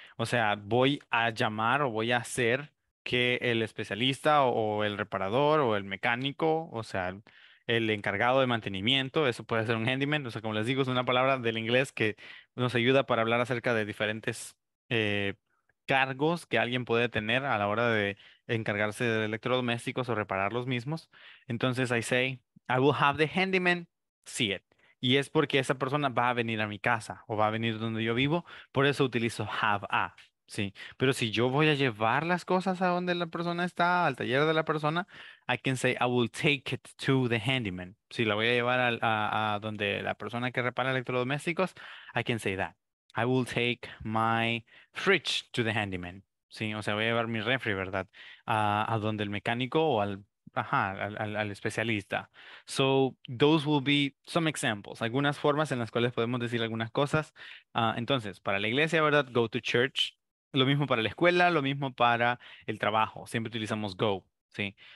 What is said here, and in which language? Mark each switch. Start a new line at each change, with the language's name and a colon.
Spanish: O sea, voy a llamar o voy a hacer que el especialista o el reparador o el mecánico, o sea, el encargado de mantenimiento, eso puede ser un handyman. O sea, como les digo, es una palabra del inglés que nos ayuda para hablar acerca de diferentes cargos que alguien puede tener a la hora de encargarse de electrodomésticos o reparar los mismos. Entonces,
English: I say, I will have the handyman see it.
Spanish: Y es porque esa persona va a venir a mi casa o va a venir donde yo vivo. Por eso utilizo
English: have a,
Spanish: ¿sí? Pero si yo voy a llevar las cosas a donde la persona está, al taller de la persona,
English: I can say I will take it to the handyman.
Spanish: Si la voy a llevar a donde la persona que repara electrodomésticos,
English: I can say that. I will take my fridge to the handyman.
Spanish: ¿Sí? O sea, voy a llevar mi refri, ¿verdad? A donde el mecánico o al... Ajá, al especialista.
English: So, those will be some examples.
Spanish: Algunas formas en las cuales podemos decir algunas cosas. Entonces, para la iglesia, ¿verdad?
English: Go to church.
Spanish: Lo mismo para la escuela, lo mismo para el trabajo. Siempre utilizamos go, ¿sí?